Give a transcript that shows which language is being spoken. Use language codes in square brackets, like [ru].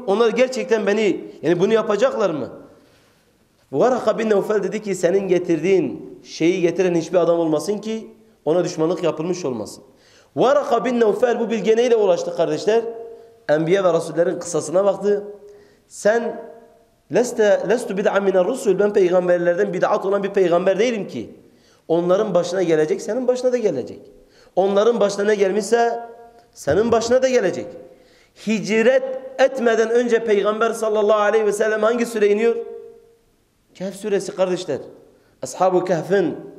[tr] Onlar gerçekten beni, yani bunu yapacaklar mı? وَرَقَ بِنْ نَوْفَلْ dedi ki senin getirdiğin şeyi getiren hiçbir adam olmasın ki ona düşmanlık yapılmış olmasın. وَرَقَ بِنْ نَوْفَلْ bu bilgiye neyle ulaştı kardeşler? Enbiya ve Rasullerin kısasına baktı. [ar] Sen لَسْتُ بِدْعَ مِنَ الرُّسُولِ. [tr] Ben peygamberlerden bid'at olan bir peygamber değilim ki. Onların başına gelecek, senin başına da gelecek. Onların başına ne gelmişse senin başına da gelecek. Hicret etmeden önce Peygamber sallallahu aleyhi ve sellem hangi sure iniyor? Kehf suresi kardeşler. Ashab-ı Kehf'in